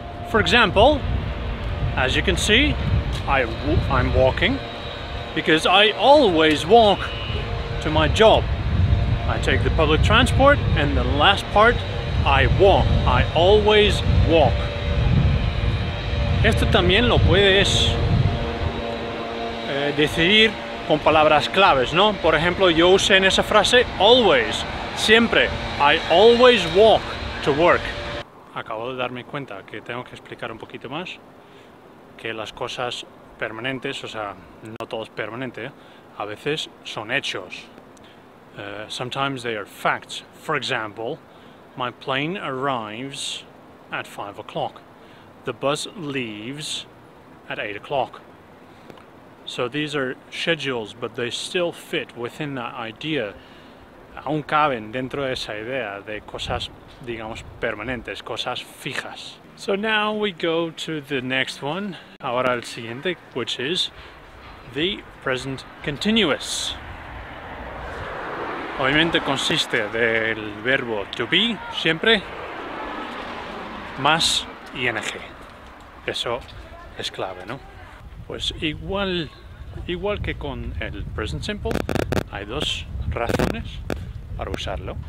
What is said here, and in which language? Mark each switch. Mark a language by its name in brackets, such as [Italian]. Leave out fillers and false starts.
[English] For example, as you can see, I'm walking because I always walk to my job. I take the public transport and the last part, I walk. I always walk. [Spanish] Esto también lo puedes decidir con palabras claves, ¿no? Por ejemplo, yo usé en esa frase always, siempre. [English] I always walk to work. [Spanish] Acabo de darme cuenta que tengo que explicar un poquito más que las cosas permanentes, o sea, no todo es permanente, a veces son hechos. [English] Sometimes they are facts. For example, my plane arrives at 5 o'clock. The bus leaves at 8 o'clock. So these are schedules, but they still fit within that idea. [Spanish] Aún caben dentro de esa idea de cosas, digamos, permanentes, cosas fijas. [English] So now we go to the next one. [Spanish] Ahora el siguiente, [English] which is the present continuous. [Spanish] Obviamente consiste del verbo to be, siempre, más ing. Eso es clave, ¿no? Pues igual que con el present simple, hay dos razones para usarlo.